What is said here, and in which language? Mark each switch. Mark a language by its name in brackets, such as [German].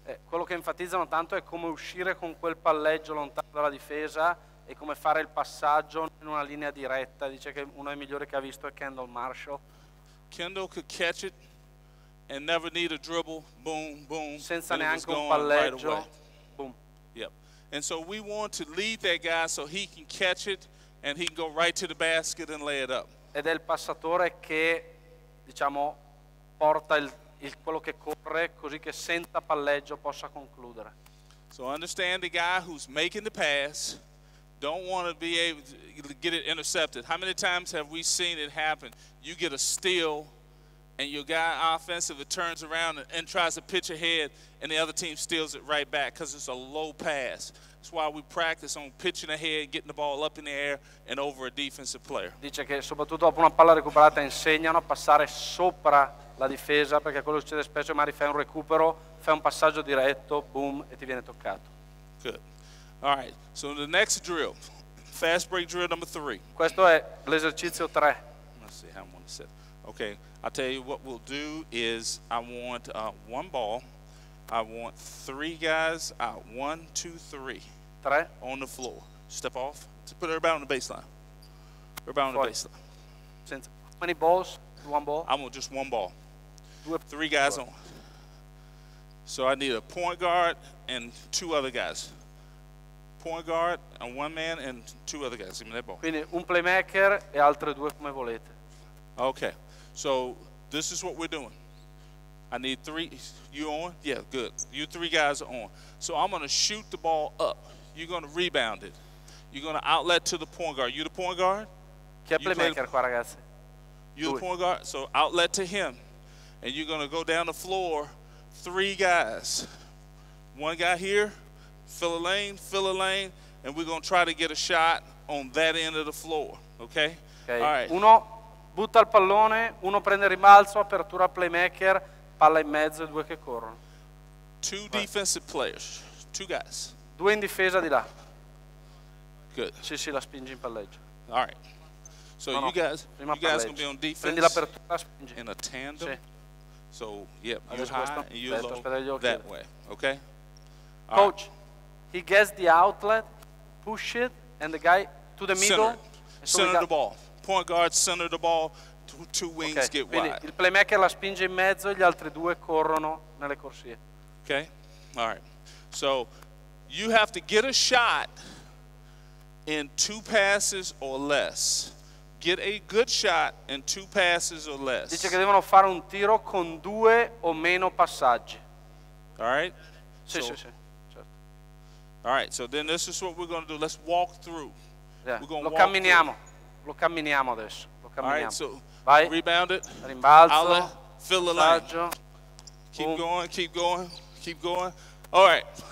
[Italian] Quello che enfatizzano tanto è come uscire con quel palleggio lontano dalla difesa e come fare il passaggio in una linea diretta. Dice che uno dei migliori che ha visto è Kendall Marshall. [English] Kendall could catch it and never need a dribble. Boom, boom. [Italian] Senza neanche un palleggio. [English] Right, boom. Yep. And so we want to lead that guy so he can catch it and he can go right to the basket and lay it up. [Italian] Ed è il passatore che, diciamo, porta il quello che corre così che senza palleggio possa concludere. [English] So understand the guy who's making the pass don't want to be able to get it intercepted. How many times have we seen it happen? You get a steal, and your guy offensively turns around and tries to pitch ahead, and the other team steals it right back because it's a low pass. That's why we practice on pitching ahead, getting the ball up in the air, and over a defensive player. [Italian] Dice che soprattutto dopo una palla recuperata insegnano a passare sopra la difesa, perché quello succede spesso, magari fai un recupero, fai un passaggio diretto, boom, e ti viene toccato. [English] Good. All right, so the next drill, fast break drill number 3. [Italian] Questo è l'esercizio 3. [English] Let's see how I'm going to set. Okay, I'll tell you what we'll do is I want one ball. I want three guys out. One, two, three. [Italian] Tre. [English] On the floor. Step off. To put everybody on the baseline. Everybody on the baseline. Since how many balls? One ball? I want just one ball. Three guys on. So I need a point guard and two other guys. Point guard and one man and two other guys. Give me that ball. [Italian] Quindi un playmaker e altre due come volete. [English] Okay. So this is what we're doing. I need three. You on? Yeah, good. You three guys are on. So I'm going to shoot the ball up. You're going to rebound it. You're going to outlet to the point guard. You the point guard? [Italian] Chi è playmaker qua, ragazzi? [English] You the point guard? So outlet to him. And you're going to go down the floor, three guys. One guy here, fill a lane, and we're going to try to get a shot on that end of the floor. Okay? Okay. All right. [Italian] Uno butta il pallone, uno prende rimbalzo, apertura playmaker, palla in mezzo, due che corrono. [English] Two defensive players, two guys. [Italian] Due in difesa di là. [English] Good. [Italian] Sì, sì, la spingi in palleggio. [English] All right. So no, you guys going to be on defense. [Italian] Prendi l'apertura, spingi. [English] In a tandem. [Italian] Sì. [English] So, yep, you high and you low that way, okay? All Coach, right. He gets the outlet, push it, and the guy to the middle. Center the ball. Point guard, center the ball, two wings okay. Get [Italian] quindi [English] wide. [Italian] Il playmaker la spinge in mezzo e gli altri due corrono nelle corsie. [English] Okay, all right. So, you have to get a shot in two passes or less. Get a good shot in two passes or less. [Italian] Dice che devono fare un tiro con due o meno passaggi. [English] All right? [Italian] Sì, [English] so, [Italian] sì, sì. Certo. [English] All right, so then this is what we're going to do. Let's walk through. Yeah. We're gonna [Italian] Lo camminiamo adesso. Lo camminiamo. [English] All right, so [Italian] vai. [English] Rebound it. [Italian] Rimbalzo. [English] Outlet, fill the [Italian] passaggio. [English] Line. Keep going, keep going, keep going. All right.